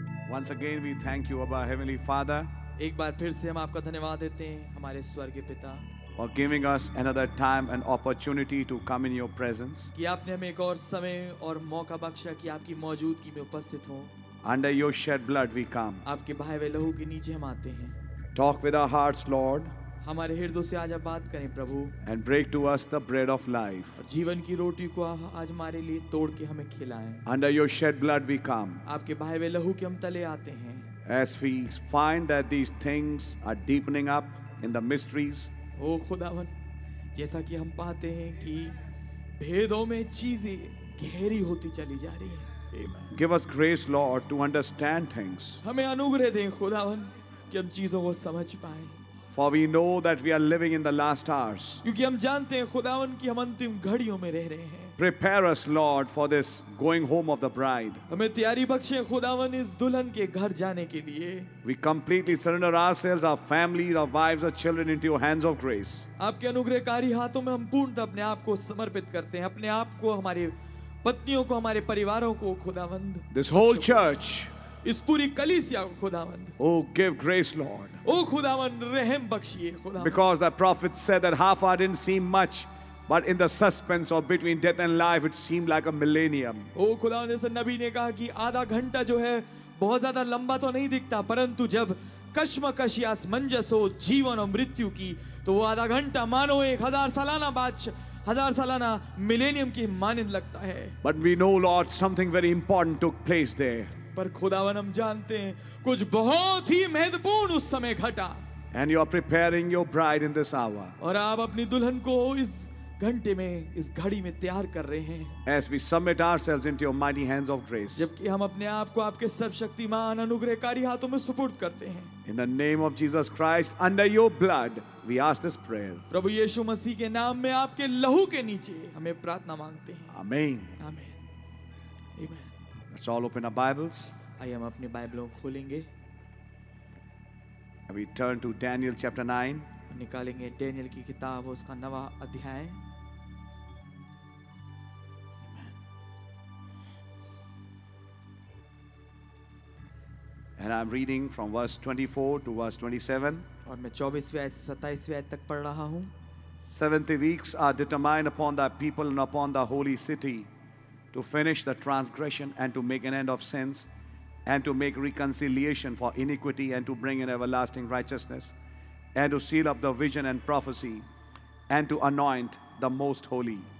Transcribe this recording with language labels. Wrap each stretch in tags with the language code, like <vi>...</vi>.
<en>Once again, we thank you, Abba, Heavenly Father.</en> <hi>एक बार फिर से हम आपका धन्यवाद देते हैं, हमारे स्वर्गीय पिता.</hi> <en>For giving us another time and opportunity to come in your presence.</en> <hi>कि आपने हमें एक और समय और मौका बख्शा कि आपकी मौजूदगी में उपस्थित हों.</hi> <en>Under your shed blood, we come.</en> <hi>आपके बहाए हुए लहू के नीचे हम आते हैं.</hi> <en>Talk with our hearts, Lord.</en> <hi>हमारे हृदय से आज आप बात करें प्रभु.</hi> <en>And break to us the bread of life.</en> <hi>और जीवन की रोटी को आज हमारे लिए तोड़ के हमें खिलाएं.</hi> <en>Under your shed blood we come.</en> <hi>आपके बहाए हुए लहू के हम तले आते हैं.</hi> <en>As we find that these things are deepening up in the mysteries.</en> <hi>ओ खुदावन, जैसा कि हम पाते हैं कि भेदों में चीजें गहरी होती चली जा रही हैं।</hi> <en>Amen. Give us grace, Lord, to understand things.</en> <hi>हमें अनुग्रह दें खुदावन कि हम चीजों को समझ पाएं।</hi> <en>For we know that we are living in the last hours.</en> <hi>क्योंकि हम जानते हैं खुदावन कि हम अंतिम घड़ियों में रह रहे हैं।</hi> <en>Prepare us, Lord, for this going home of the bride.</en> <hi>हमें तैयारी बख्शे खुदावन इस दुल्हन के घर जाने के लिए।</hi> <en>We completely surrender ourselves, our families, our wives, our children into your hands of grace.</en> <hi>आपके अनुग्रहकारी हाथों में हम पूर्णतः अपने आप को समर्पित करते हैं, अपने आप को, हमारे पत्नियों को, हमारे परिवारों को खुदावंद।</hi> <en>This whole church.</en> <hi>इस पूरी कलीसिया को खुदावंद।</hi> <en>Oh, give grace, Lord.</en> <hi>ओ खुदावंद, रहम बख्शिए खुदावंद।</hi> <en>Because the prophet said that half hour didn't seem much, but in the suspense of between death and life, it seemed like a millennium.</en> <hi>ओ खुदावंद, जैसे नबी ने कहा कि आधा घंटा जो है बहुत ज्यादा लंबा तो नहीं दिखता, परंतु जब कश्मकश या असमंजस हो जीवन और मृत्यु की, तो वो आधा घंटा मानो एक हजार सालाना बाद हजार सालाना मिलेनियम की मानिंद लगता है।</hi> <en>But we know, Lord, something very important took place there.</en> <hi>पर खुदावन हम जानते हैं कुछ बहुत ही महत्वपूर्ण उस समय घटा।</hi> <en>And you are preparing your bride in this hour.</en> <hi>और आप अपनी दुल्हन को इस घंटे में, इस घड़ी में तैयार कर रहे हैं।</hi> <en>As we submit ourselves into your mighty hands of grace.</en> <hi>जबकि हम अपने आप को आपके सर्वशक्तिमान अनुग्रहकारी हाथों में सुपुर्द करते हैं।</hi> <en>In the name of Jesus Christ, under your blood, we ask this prayer.</en> <hi>प्रभु यीशु मसीह के नाम में आपके लहू के नीचे हमें प्रार्थना मांगते हैं।</hi> <en>Amen. Amen. Amen. Let's all open our Bibles.</en> <hi>आइए हम अपनी बाइबलों को खोलेंगे।</hi> <en>We turn to Daniel chapter 9.</en> <hi>निकालेंगे डेनियल की किताब, उसका नवा अध्याय।</hi> <en>And I'm reading from verse 24 to verse 27.</en> <hi>और मैं 24वें आयत से 27वें आयत तक पढ़ रहा हूँ।</hi> <en>70 weeks are determined upon thy people and upon thy holy city to finish the transgression and to make an end of sins and to make reconciliation for iniquity and to bring in everlasting righteousness and to seal up the vision and prophecy and to anoint the most holy.</en>